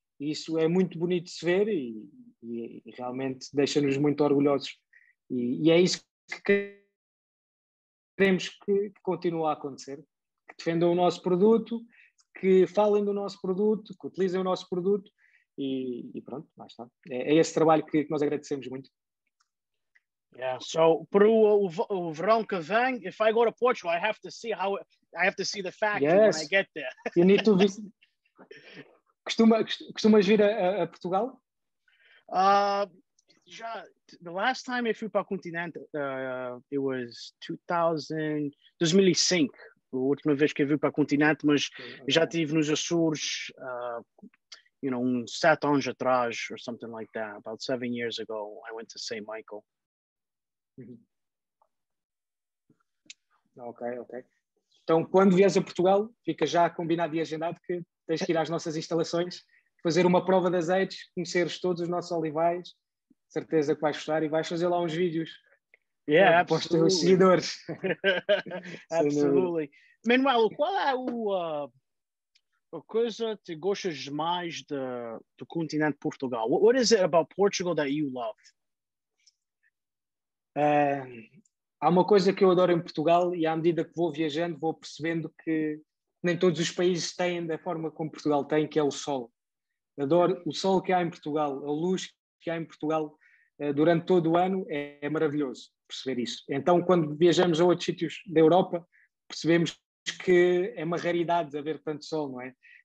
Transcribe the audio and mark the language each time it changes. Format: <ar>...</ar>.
<pt>Isso é muito bonito de se ver e realmente deixa-nos muito orgulhosos. E é isso que queremos que continue a acontecer. Que defendam o nosso produto, que falem do nosso produto, que utilizem o nosso produto. E pronto, lá está. É esse trabalho que nós agradecemos muito.</pt> <en>Yeah, so</en> <pt>para o verão que vem,</pt> <en>if I go to Portugal, I have to see how I have to see the factory when I get there. You need to visit.</en> <pt>Costumas vir a Portugal? Já,</pt> <en>the last time I</en> <pt>fui para o continente,</pt> <en>it was 2005,</en> <pt>a última vez que eu fui para o continente, mas já estive nos Açores.</pt> <en>You know,</en> <pt>7 anos atrás,</pt> <en>or something like that. About 7 years ago, I went to St. Michael. Mm-hmm. Ok.</en> <pt>Então, quando vieres a Portugal, fica já combinado e agendado que tens que ir às nossas instalações, fazer uma prova de azeites, conheceres todos os nossos olivais, certeza que vais gostar, e vais fazer lá uns vídeos.</pt> <en>Yeah, absolutely.</en> <pt>Para os teus seguidores.</pt> <en>Absolutely.</en> <pt>Manuel, qual é o... A coisa que gostas mais do continente Portugal?</pt> <en>What is it about Portugal that you love?</en> <pt>Há uma coisa que eu adoro em Portugal e à medida que vou viajando vou percebendo que nem todos os países têm da forma como Portugal tem, que é o sol. Adoro o sol que há em Portugal, a luz que há em Portugal. durante todo o ano, é maravilhoso perceber isso. Então, quando viajamos a outros sítios da Europa, percebemos que é uma raridade haver tanto sol, não é?</pt>